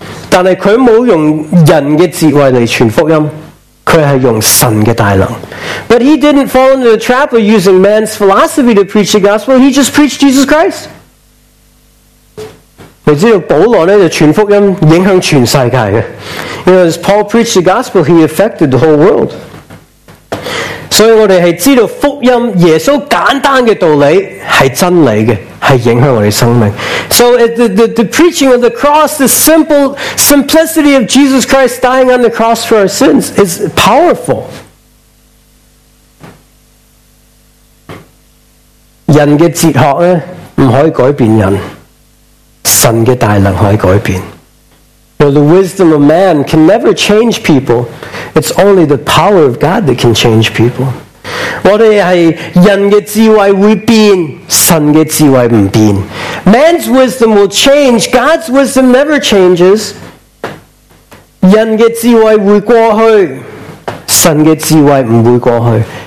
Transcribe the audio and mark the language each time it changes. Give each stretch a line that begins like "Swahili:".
Chinese: 但是他没有用人的智慧来传福音。他是用神的大能。
English: But he didn't fall into the trap of using man's philosophy to preach the gospel. He just preached Jesus Christ.
Chinese: 你知道保罗呢，就传福音影响全世界的。
English: You know, as Paul preached the gospel, he affected the whole world.
Chinese: 所以我们是知道福音，耶稣简单的道理是真理的。
English: So the preaching of the cross, the simplicity of Jesus Christ dying on the cross for our sins is powerful.
Chinese: 人的哲学呢不可以改变人，神的大能可以改变。
English: Now, the wisdom of man can never change people. It's only the power of God that can change people.
Chinese: 我们是人的智慧会变，神的智慧不变。
English: Man's wisdom will change, God's wisdom never changes.
Chinese: 人的智慧会过去，神的智慧不会过去。